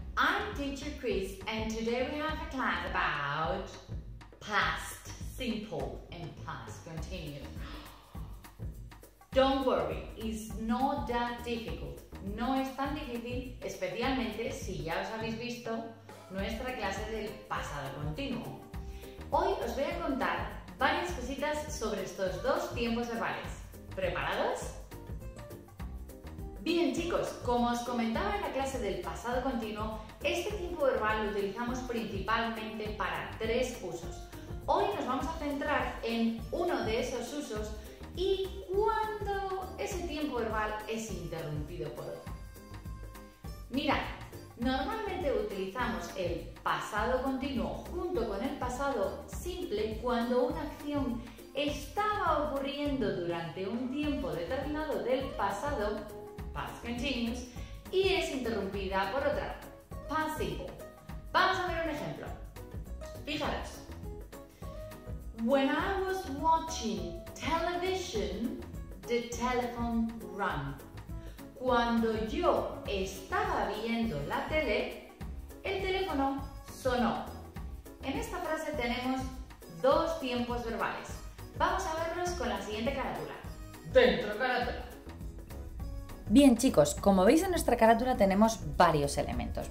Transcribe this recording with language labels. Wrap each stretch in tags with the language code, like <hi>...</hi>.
<en>I'm teacher Chris, and today we have a class about past simple and past continuous. Don't worry, it's not that difficult.</en> <es>No es tan difícil, especialmente si ya os habéis visto nuestra clase del pasado continuo. Hoy os voy a contar varias cositas sobre estos dos tiempos verbales. ¿Preparados? Bien, chicos, como os comentaba en la clase del pasado continuo, este tiempo verbal lo utilizamos principalmente para tres usos. Hoy nos vamos a centrar en uno de esos usos y cuando ese tiempo verbal es interrumpido por otro. Mirad, normalmente utilizamos el pasado continuo junto con el pasado simple cuando una acción estaba ocurriendo durante un tiempo determinado del pasado, past continuous, y es interrumpida por otra, past simple. Vamos a ver un ejemplo. Fijaros.</es> <en>When I was watching television, the telephone rang.</en> <es>Cuando yo estaba viendo la tele, el teléfono sonó. En esta frase tenemos dos tiempos verbales. Vamos a verlos con la siguiente carátula. Dentro carátula. Bien, chicos, como veis en nuestra carátula tenemos varios elementos.</es>